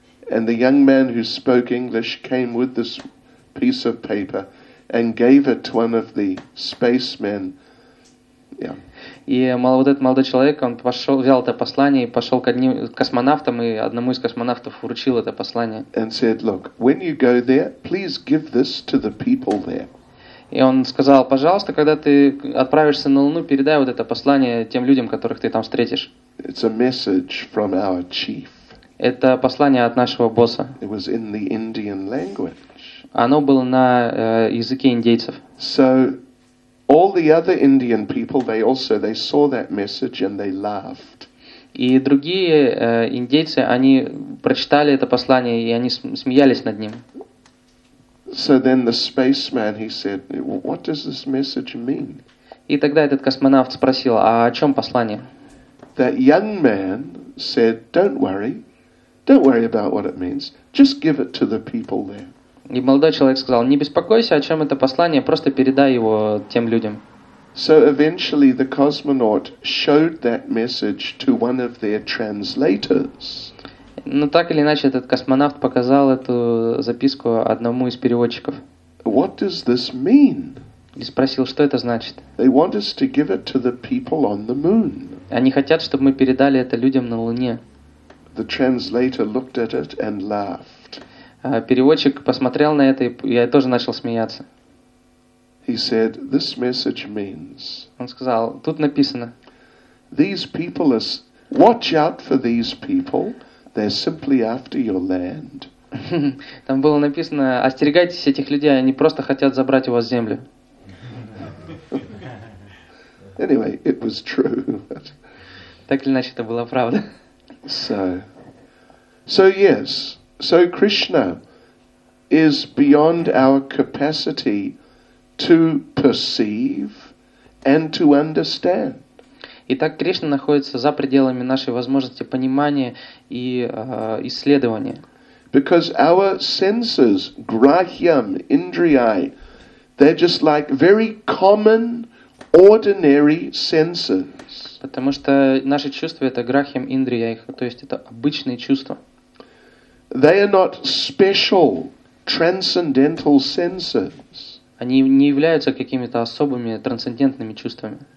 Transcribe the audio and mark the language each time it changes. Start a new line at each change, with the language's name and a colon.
English: And the young man who spoke English came with this piece of paper and gave it to one of the spacemen. Yeah.
Russian: И вот этот молодой человек, он пошел, взял это послание и пошел к одним космонавтам, и одному из космонавтов вручил это послание.
English: And said, look, when you go there, please give this to the people there.
Russian: И он сказал, пожалуйста, когда ты отправишься на Луну, передай вот это послание тем людям, которых ты там встретишь.
English: It's a message from our chief.
Russian: Это послание от нашего босса.
English: It was in the Indian language.
Russian: Оно было на языке индейцев.
English: So all the other Indian people, they saw that message and they laughed.
Russian: И другие индейцы, они прочитали это послание и они смеялись над ним.
English: So then the spaceman, he said, what does this message mean?
Russian: И тогда этот космонавт спросил, а о чем послание?
English: That young man said, don't worry about what it means, just give it to the people there.
Russian: И молодой человек сказал, не беспокойся, о чем это послание, просто передай его тем людям.
English: So eventually the cosmonaut showed that message to one of their translators.
Russian: Но так или иначе, этот космонавт показал эту записку одному из переводчиков.
English: What does this mean?
Russian: И спросил, что это значит.
English: They want us to give it to the people on the moon.
Russian: Они хотят, чтобы мы передали это людям на Луне.
English: The translator looked at it and laughed.
Russian: Переводчик посмотрел на это, и я тоже начал смеяться.
English: He said, this message means.
Russian: Он сказал, тут написано.
English: These people are, watch out for these people. They're simply after your land.
Russian: Там было написано, остерегайтесь этих людей, они просто хотят забрать у вас землю.
English: Anyway, it was true. But...
Russian: Так или иначе, это была правда.
English: So yes. So Krishna is beyond our capacity to perceive and to understand.
Russian: Итак, Кришна находится за пределами нашей возможности понимания и исследования.
English: Because our senses, grahyam, indriyai, they're just like very common, ordinary senses.
Russian: Потому что наши чувства это грахьям, индрияй, то есть это обычные чувства.
English: They are not special transcendental senses.
Russian: Они не являются какими-то особыми трансцендентными чувствами.